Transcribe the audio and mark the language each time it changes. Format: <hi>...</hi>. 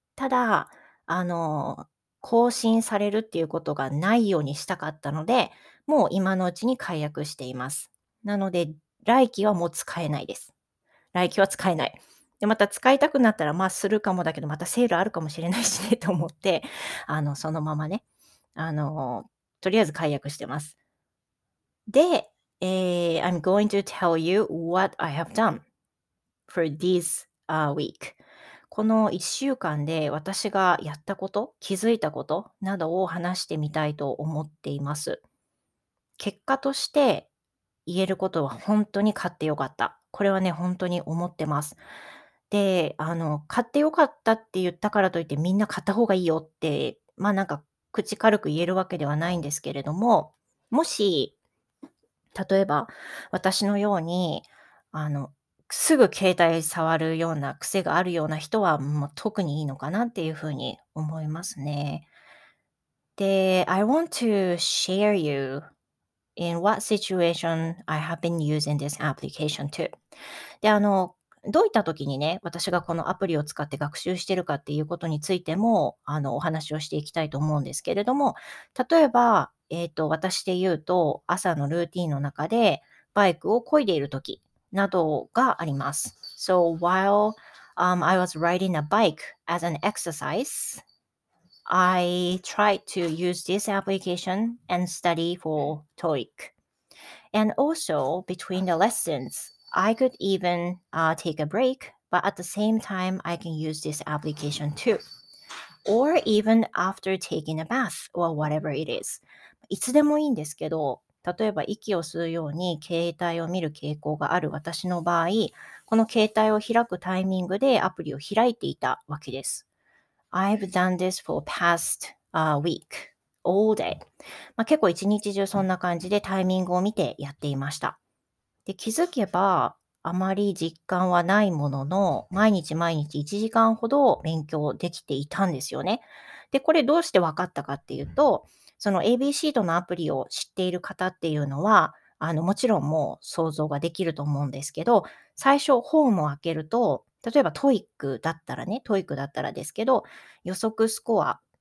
<ja>ただ、更新されるっていうことがないようにしたかったので、もう今のうちに解約しています。なので、来期はもう使えないです。来期は使えない。で、また使いたくなったら、するかもだけど、またセールあるかもしれないしね、と思って、そのままね、とりあえず解約してます。</ja> <en>で、I'm going to tell you what I have done for this week.</en> <ja>この1週間で私がやったこと、気づいたことなどを話してみたいと思っています。結果として言えることは本当に買ってよかった。これはね、本当に思ってます。で、買ってよかったって言ったからといってみんな買った方がいいよって、口軽く言えるわけではないんですけれども、もし、例えば私のように、すぐ携帯触るような癖があるような人は、特にいいのかなっていうふうに思いますね。</ja> <en>で、I want to share you in what situation I have been using this application to.</en> <ja>で、どういった時にね、私がこのアプリを使って学習してるかっていうことについても、お話をしていきたいと思うんですけれども、例えば、私で言うと、朝のルーティーンの中でバイクを漕いでいる時、などがあります。</ja> <en>So while I was riding a bike as an exercise, I tried to use this application and study for TOEIC. And also between the lessons, I could even take a break, but at the same time, I can use this application too. Or even after taking a bath or whatever it is.</en> <ja>いつでもいいんですけど、例えば息を吸うように携帯を見る傾向がある私の場合、この携帯を開くタイミングでアプリを開いていたわけです。</ja> <en>I've done this for past week, all day.</en> <ja>まあ結構一日中そんな感じでタイミングを見てやっていました。で気づけばあまり実感はないものの、毎日毎日1時間ほど勉強できていたんですよね。で、これどうして分かったかっていうと、その ABC とのアプリを知っている方っていうのは、もちろんもう想像ができると思うんですけど、最初本を開けると、例えばトイックだったらですけど、予測スコア。</ja>